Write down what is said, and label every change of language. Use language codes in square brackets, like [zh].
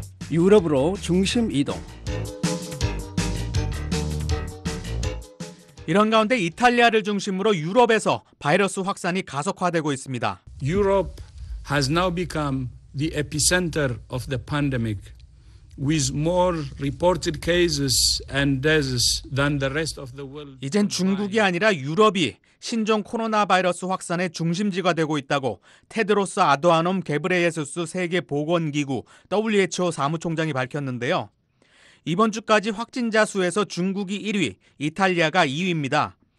[ko] 유럽으로 중심 이동. 이런 가운데 이탈리아를 중심으로 유럽에서 바이러스 확산이 가속화되고 있습니다. [en] Europe has now become the epicenter of the pandemic with more reported cases and deaths than the rest of the world. [ko] 이젠 중국이 아니라 유럽이 신종 코로나 바이러스 확산의 중심지가 되고 있다고 테드로스 아드하놈 게브레예수스 세계 보건 기구 WHO 사무총장이 밝혔는데요. 이번 주까지 확진자 수에서 중국이 1위, 이탈리아가 2위입니다.